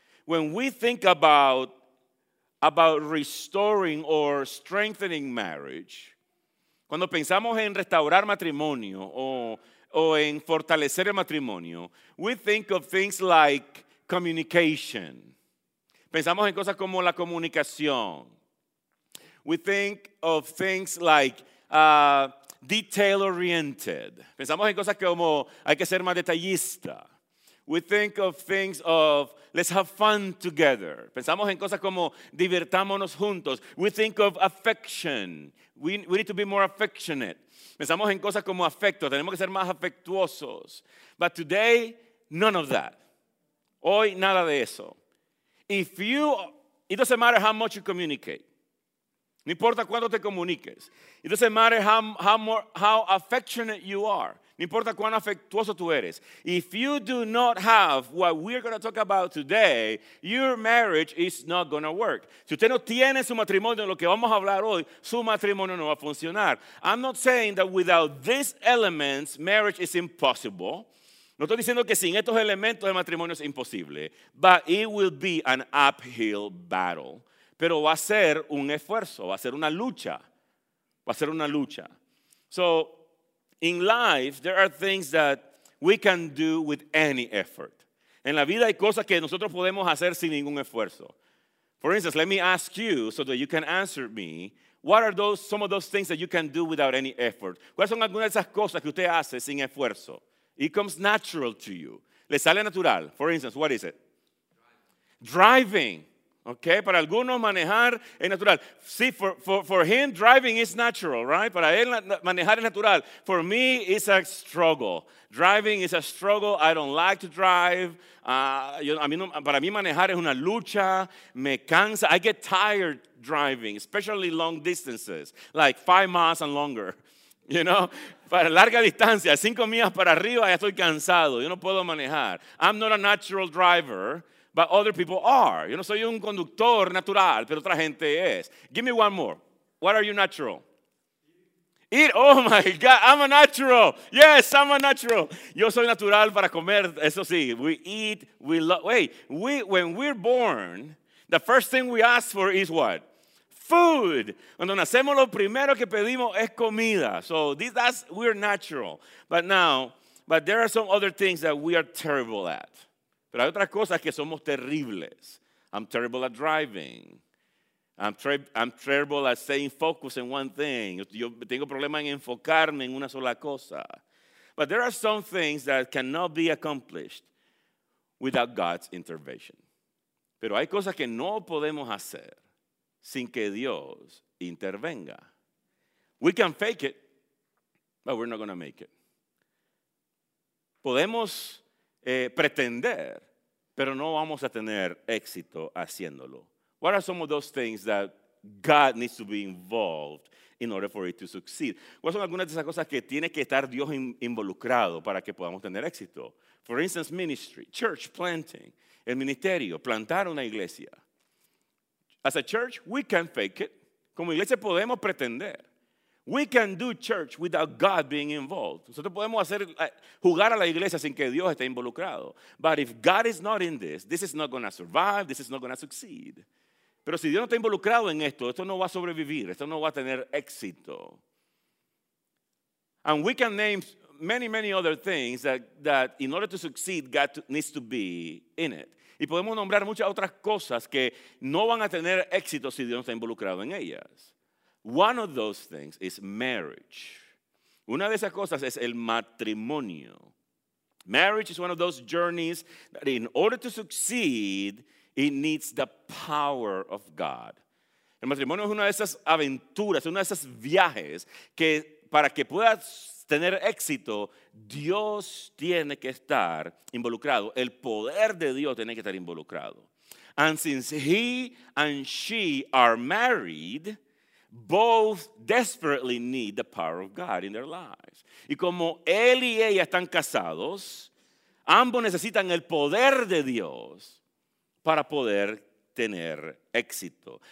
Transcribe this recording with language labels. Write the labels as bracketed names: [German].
[English] When we think about restoring or strengthening marriage, [Spanish] cuando pensamos en restaurar matrimonio o en fortalecer el matrimonio, [English] we think of things like communication. [Spanish] Pensamos en cosas como la comunicación. [English] We think of things like detail-oriented. [Spanish] Pensamos en cosas como hay que ser más detallista. [English] We think of things of let's have fun together. [Spanish] Pensamos en cosas como divirtámonos juntos. [English] We think of affection. We need to be more affectionate. [Spanish] Pensamos en cosas como afecto. Tenemos que ser más afectuosos. [English] But today, none of that. [Spanish] Hoy, nada de eso. [English] It doesn't matter how much you communicate. [Spanish] No importa cuánto te comuniques. [English] It doesn't matter how affectionate you are. [Spanish] No importa cuán afectuoso tú eres. [English] If you do not have what we're going to talk about today, your marriage is not going to work. [Spanish] Si usted no tiene su matrimonio, lo que vamos a hablar hoy, su matrimonio no va a funcionar. [English] I'm not saying that without these elements, marriage is impossible. [Spanish] No estoy diciendo que sin estos elementos el matrimonio es imposible. [English] But it will be an uphill battle. [Spanish] Pero va a ser un esfuerzo, va a ser una lucha. Va a ser una lucha. [English] So, in life, there are things that we can do with any effort. [Spanish] En la vida hay cosas que nosotros podemos hacer sin ningún esfuerzo. [English] For instance, let me ask you so that you can answer me, what are some of those things that you can do without any effort? [Spanish] ¿Cuáles son algunas de esas cosas que usted hace sin esfuerzo? [English] It comes natural to you. [Spanish] Le sale natural. [English] For instance, what is it? Driving. [Spanish] Okay, para algunos manejar es natural. [English] See, for him, driving is natural, right? [Spanish] Para él, manejar es natural. [English] For me, it's a struggle. Driving is a struggle. I don't like to drive. [Spanish] Para mí, manejar es una lucha. Me cansa. [English] I get tired driving, especially long distances, like 5 miles and longer. You know, [Spanish] para larga distancia, 5 millas para arriba, ya estoy cansado. Yo no puedo manejar. [English] I'm not a natural driver. But other people are. [Spanish] Yo no soy un conductor natural, pero otra gente es. [English] Give me one more. What are you natural? Eat. Oh, my God. I'm a natural. Yes, I'm a natural. [Spanish] Yo soy natural para comer. Eso sí. [English] We eat. We love. Wait. When we're born, the first thing we ask for is what? Food. [Spanish] Cuando nacemos, lo primero que pedimos es comida. [English] So we're natural. But now, But there are some other things that we are terrible at. [Spanish] Pero hay otras cosas que somos terribles. [English] I'm terrible at driving. I'm terrible at staying focused in one thing. [Spanish] Yo tengo problema en enfocarme en una sola cosa. [English] But there are some things that cannot be accomplished without God's intervention. [Spanish] Pero hay cosas que no podemos hacer sin que Dios intervenga. [English] We can fake it, but we're not going to make it. [Spanish] Podemos pretender, pero no vamos a tener éxito haciéndolo. [English] What are some of those things that God needs to be involved in order for it to succeed? [Spanish] ¿Cuáles son algunas de esas cosas que tiene que estar Dios involucrado para que podamos tener éxito? [English] For instance, ministry, church planting, [Spanish] el ministerio, plantar una iglesia. [English] As a church, we can fake it. [Spanish] Como iglesia podemos pretender. [English] We can do church without God being involved. [Spanish] Nosotros podemos hacer, jugar a la iglesia sin que Dios esté involucrado. [English] But if God is not in this, this is not going to survive, this is not going to succeed. [Spanish] Pero si Dios no está involucrado en esto, esto no va a sobrevivir, esto no va a tener éxito. [English] And we can name many, many other things that in order to succeed, God needs to be in it. [Spanish] Y podemos nombrar muchas otras cosas que no van a tener éxito si Dios no está involucrado en ellas. [English] One of those things is marriage. [Spanish] Una de esas cosas es el matrimonio. [English] Marriage is one of those journeys that in order to succeed, it needs the power of God. [Spanish] El matrimonio es una de esas aventuras, una de esas viajes que para que pueda tener éxito, Dios tiene que estar involucrado. El poder de Dios tiene que estar involucrado. [English] And since he and she are married, both desperately need the power of God in their lives. [Spanish] Y como él y ella están casados, ambos necesitan el poder de Dios para poder tener éxito.